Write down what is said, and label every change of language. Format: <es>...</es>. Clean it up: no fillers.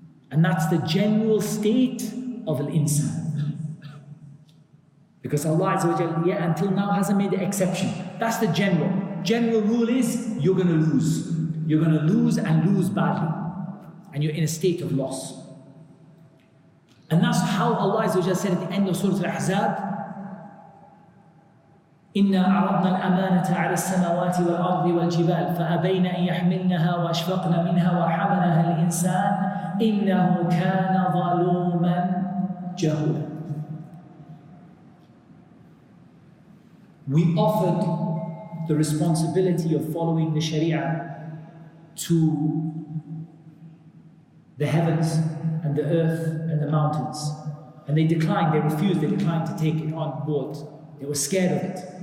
<en>And that's the general state of al-insan. Because Allah Azza wa Jalla, yeah, until now hasn't made the exception. That's the general. General rule is, you're going to lose. You're going to lose and lose badly. And you're in a state of loss. And that's how Allah Azza wa Jalla said at the end of Surah Al-Ahzab,</en> <ar>إِنَّا عَرَضْنَا الْأَمَانَةَ عَلَى السَّمَوَاتِ وَالْأَرْضِ وَالْجِبَالِ فَأَبَيْنَا أَنْ يَحْمِلْنَهَا وَأَشْفَقْنَ مِنْهَا وَحَمَلَهَا الْإِنسَانِ إِنَّهُ كَانَ ظَلُومًا جَهُولًا.</ar> <en>We offered the responsibility of following the Sharia to the heavens and the earth and the mountains. And they declined, they refused, they declined to take it on board. They were scared of it.</en>